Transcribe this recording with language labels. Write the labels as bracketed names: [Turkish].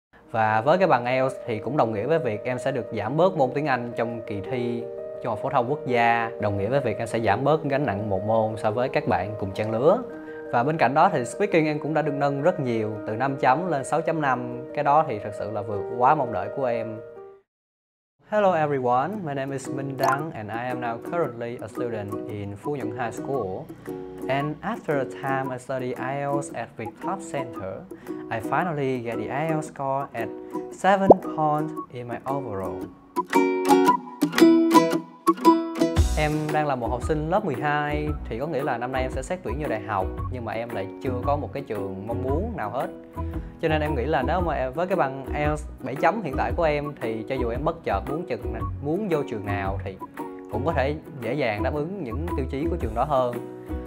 [Vietnamese] Và với cái bằng IELTS thì cũng đồng nghĩa với việc em sẽ được giảm bớt môn tiếng Anh trong kỳ thi trung học phổ thông quốc gia, đồng nghĩa với việc em sẽ giảm bớt gánh nặng một môn so với các bạn cùng trang lứa. Và bên cạnh đó thì speaking em cũng đã được nâng rất nhiều, từ 5 chấm lên 6.5. Cái đó thì thật sự là vượt quá mong đợi của em. [English] Hello everyone, my name is Minh Đăng and I am now currently a student in Phú Nhuận High School. And after a time I study IELTS at Viettop Center, I finally get the IELTS score at 7 points in my overall. [Vietnamese] Em đang là một học sinh lớp 12 thì có nghĩa là năm nay em sẽ xét tuyển vào đại học, nhưng mà em lại chưa có một cái trường mong muốn nào hết. Cho nên em nghĩ là nếu mà với cái bằng IELTS 7 chấm hiện tại của em thì cho dù em bất chợt muốn vô trường nào thì cũng có thể dễ dàng đáp ứng những tiêu chí của trường đó hơn.